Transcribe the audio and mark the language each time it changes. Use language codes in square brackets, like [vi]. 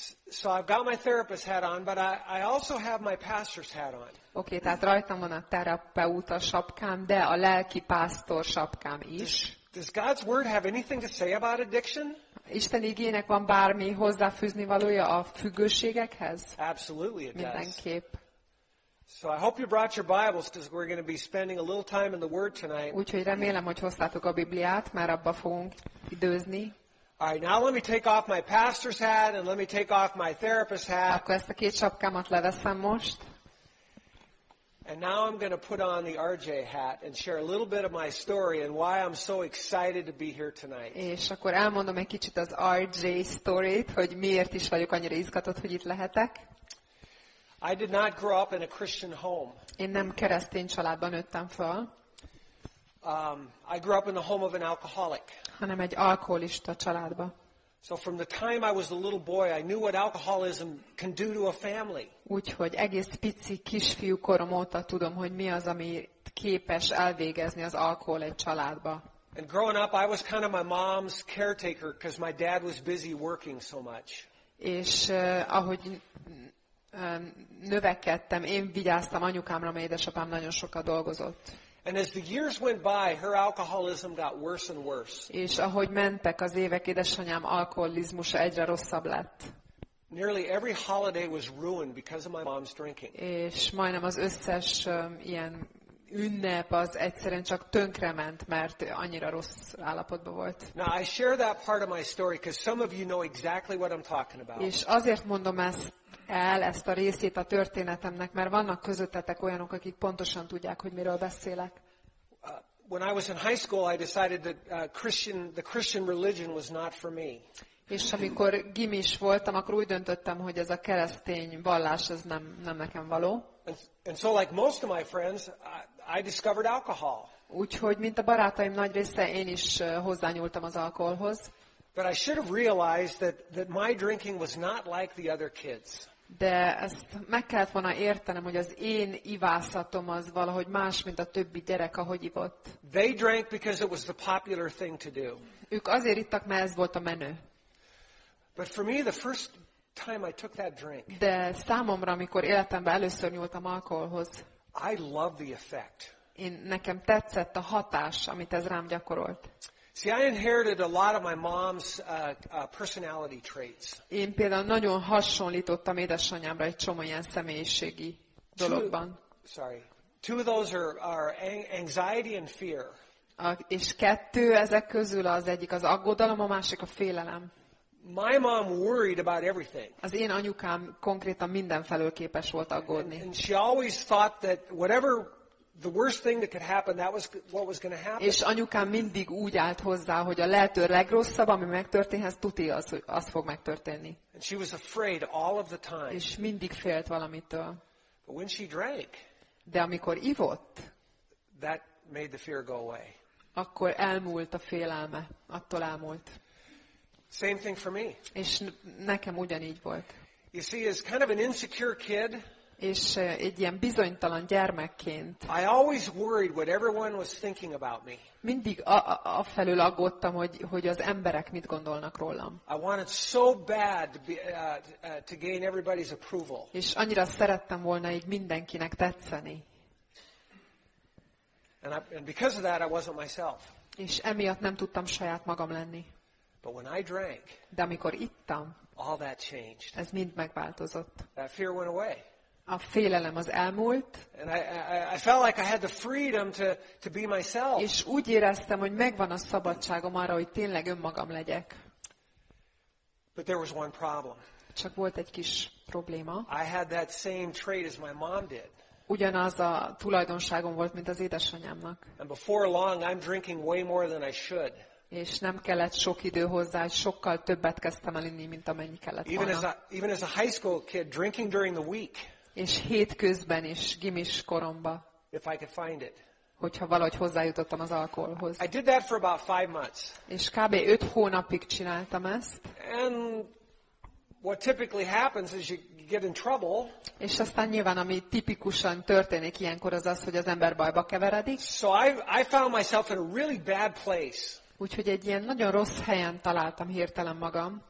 [en] So I've got my therapist hat on, but I also have my pastor's hat on. [hu] Okay, tehát rajtam van a terapeuta sapkám, de a lelki pásztor sapkám is. [en] Does God's word have anything to say about addiction? [hu] Isten igének van bármi hozzáfűzni valója a függőségekhez? [en] Absolutely, it [hu] mindenképp. [en] Does. So I hope you brought your Bibles, because we're going to be spending a little time in the Word tonight. [hu] Úgyhogy remélem, hogy hoztátok a Bibliát, mert abba fogunk időzni. [en] All right, now let me take off my pastor's hat and let me take off my therapist's hat. [hu] Akkor ezt a két sapkámat leveszem most. [en] And now I'm going to put on the RJ hat and share a little bit of my story and why I'm so excited to be here tonight. [hu] És akkor elmondom egy kicsit az RJ sztorit, hogy miért is vagyok annyira izgatott, hogy itt lehetek. [en] I did not grow up in a Christian home. [hu] Én nem keresztény családban nőttem fel. [en] I grew up in the home of an alcoholic. [hu] Hanem egy alkoholista családba. [en] So from the time I was a little boy, I knew what alcoholism can do to a family. [hu] Úgyhogy egész pici kisfiú korom óta tudom, hogy mi az, ami képes elvégezni az alkohol egy családba. [en] And growing up, I was kind of my mom's caretaker because my dad was busy working so much. [hu] És ahogy növekedtem, én vigyáztam anyukámra, mert édesapám nagyon sokat dolgozott. [en] And as the years went by, her alcoholism got worse and worse. [hu] És ahogy mentek az évek, édesanyám alkoholizmusa egyre rosszabb lett. [en] Nearly every holiday was ruined because of my mom's drinking. [hu] És majdnem az összes ilyen ünnep az egyszerűen csak tönkrement, mert annyira rossz állapotban volt. [en] Now I share that part of my story because some of you know exactly what I'm talking about. [hu] És azért mondom ezt a részét a történetemnek, mert vannak közöttetek olyanok, akik pontosan tudják, hogy miről beszélek. [en] When I was in high school, I decided that the Christian religion was not for me. [hu] És amikor gimis voltam, akkor úgy döntöttem, hogy ez a keresztény vallás ez nem nekem való. [en] And so like most of my friends, I discovered alcohol. [hu] Úgyhogy mint a barátaim nagy része, én is hozzányúltam az alkoholhoz. [en] But I should have realized that my drinking was not like the other kids. [hu] De ezt meg kellett volna értenem, hogy az én ivászatom az valahogy más, mint a többi gyerek, ahogy ivott. [en] They drank because it was the popular thing to do. [hu] Ők azért ittak, mert ez volt a menő. [en] But for me, the first time I took that drink. [hu] De számomra, amikor életemben először nyúltam alkoholhoz. [en] I love the effect. [hu] Én nekem tetszett a hatás, amit ez rám gyakorolt. [en] See, I inherited a lot of my mom's personality traits. [hu] Én például nagyon hasonlítottam édesanyámra egy csomó ilyen személyiségi dologban. [en] Two of those are anxiety and fear. [hu] És kettő ezek közül az egyik az aggodalom, a másik a félelem. [en] My mom worried about everything. [hu] Az én anyukám konkrétan mindenfelől képes volt aggódni. [en] And she always thought that whatever the worst thing that could happen, that was what was going to happen. [hu] És anyukám mindig úgy állt hozzá, hogy a lehető legrosszabb, ami megtörténhez, tuti az fog megtörténni. [en] And she was afraid all of the time. [hu] És mindig félt valamitől. [en] But when she drank, [hu] de amikor ivott, [en] that made the fear go away. [hu] Akkor elmúlt a félelme, attól elmúlt. [en] Same thing for me. [hu] És nekem ugyanígy volt. [en] You see, as kind of an insecure kid, [hu] és egy ilyen bizonytalan gyermekként. [en] I always worried what everyone was thinking about me. [hu] Mindig afelől aggódtam, hogy az emberek mit gondolnak rólam. [en] I wanted so bad to gain everybody's approval. [hu] És annyira szerettem volna így mindenkinek tetszeni. [en] And because of that, I wasn't myself. [hu] És emiatt nem tudtam saját magam lenni. [en] But when I drank, [hu] de amikor ittam, [en] all that changed. [hu] Ez mind megváltozott. [en] That fear went away. [hu] A félelem az elmúlt. [en] And I felt like I had the freedom to be myself. [hu] És úgy éreztem, hogy megvan a szabadságom arra, hogy tényleg önmagam legyek. [en] But there was one problem. [hu] Csak volt egy kis probléma. [en] I had that same trait as my mom did. [hu] Ugyanaz a tulajdonságom volt, mint az édesanyámnak. [en] And before long, I'm drinking way more than I should. [hu] És nem kellett sok idő hozzá, sokkal többet kezdtem el inni, mint amennyi kellett volna. [en] Even as a high school kid, drinking during the week. [hu] És hétközben is, gimis koromba. [en] If I could find it. [hu] Hogyha valahogy hozzájutottam az alkoholhoz. [en] I did that for about 5 months. [hu] És kb. 5 hónapig csináltam ezt. [en] And what typically happens is you get in trouble. [hu] És aztán nyilván, ami tipikusan történik ilyenkor, az, hogy az ember bajba keveredik. [en] So I found myself in a really bad place. [hu] Úgyhogy egy ilyen nagyon rossz helyen találtam hirtelen magam.